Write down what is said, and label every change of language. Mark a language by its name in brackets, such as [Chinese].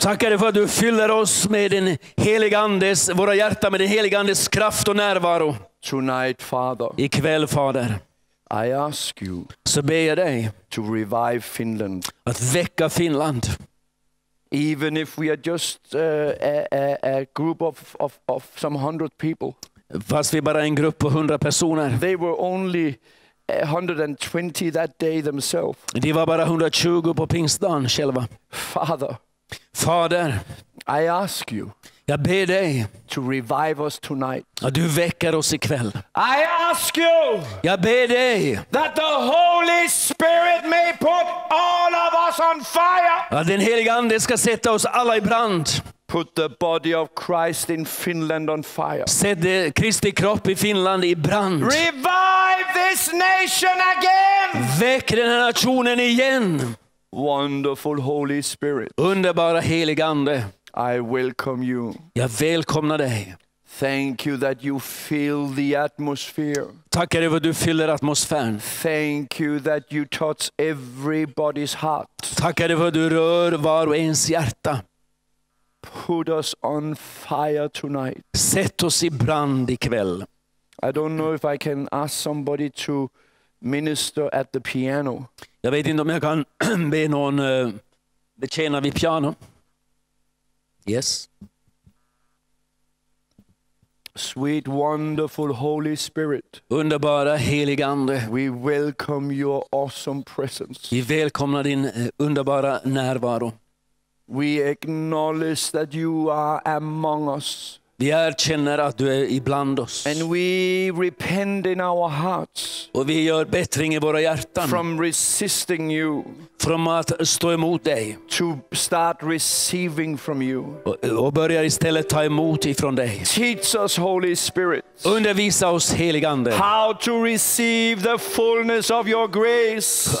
[Swedish] Tackar dig för att du fyller oss med din heliga andes, våra hjärtan med din heliga andes kraft och närvaro. [English] Tonight, Father. [Swedish] I kväll, Fader. [English] I ask you. [Swedish] Så ber jag dig. [English] To revive Finland. [Swedish] Att väcka Finland. [English] Even if we are just a group of some hundred people. [Swedish] Fast vi bara är en grupp på 100 personer. [English] They were only 120 that day themselves. [Swedish] De var bara 120 på pingstdagen själva. [English] Father. [Swedish] Fader. [English] I ask you. [Swedish] Jag ber dig. [English] To revive us tonight. [Swedish] Att du väcker oss ikväll. [English] I ask you. [Swedish] Jag ber dig. [English] That the Holy Spirit may put all of us on fire. [Swedish] Att den heliga ande ska sätta oss alla i brand. [English] Put the body of Christ in Finland on fire. [Swedish] Sätt Kristi kropp i Finland i brand. [English] Revive this nation again. [Swedish] Väck den här nationen igen. [English] Wonderful Holy Spirit. [Swedish] Underbara heliga ande. [English] I welcome you. [Swedish] Jag välkomnar dig. [English] Thank you that you fill the atmosphere. [Swedish] Tackar dig för att du fyller atmosfären. [English] Thank you that you touch everybody's heart. [Swedish] Tackar dig för att du rör var och ens hjärta. [English] Put us on fire tonight. [Swedish] Sätt oss i brand ikväll. [English] I don't know if I can ask somebody to minister at the piano. [Swedish] Jag vet inte om jag kan be någon betjäna vid piano. [English] Yes. Sweet, wonderful Holy Spirit. [Swedish] Underbara heliga ande. [English] We welcome your awesome presence. [Swedish] Vi välkomnar din underbara närvaro. [English] We acknowledge that you are among us. [Swedish] Vi erkänner att du är ibland oss. [English] And we repent in our hearts. [Swedish] Och vi gör bättring i våra hjärtan. [English] From resisting you. [Swedish] Från att stå emot dig. [English] To start receiving from you. [Swedish] Och börja istället ta emot ifrån dig. [English] Teach us, Holy Spirit. [Swedish] Undervisa oss, helig ande. [English] How to receive the fullness of your grace.